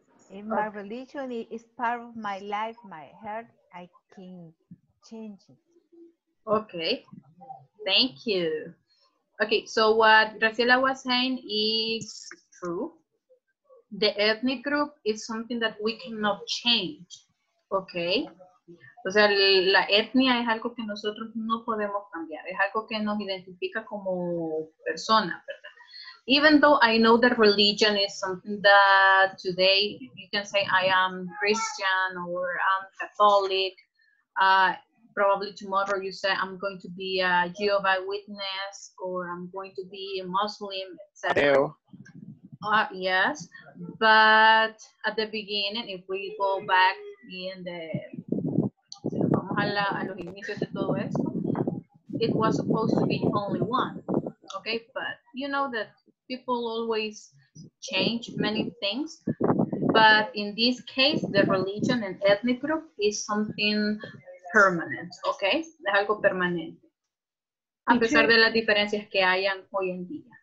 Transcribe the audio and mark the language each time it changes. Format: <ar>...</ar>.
<en>In my religion, it is part of my life, my heart. I can change it. Okay. Thank you. Okay, so what Graciela was saying is true. The ethnic group is something that we cannot change. Okay?</en> <es>O sea, la etnia es algo que nosotros no podemos cambiar. Es algo que nos identifica como persona, ¿verdad?</es> <en>Even though I know that religion is something that today you can say I am Christian or I'm Catholic, probably tomorrow you say I'm going to be a Jehovah's Witness or I'm going to be a Muslim, etc. Yes, but at the beginning, if we go back in the, vamos a la, a los inicios de todo esto, it was supposed to be only one, okay? But you know that people always change many things, but in this case, the religion and ethnic group is something permanent, okay?</en> <es>Es algo permanente, a pesar de las diferencias que hayan hoy en día.</es>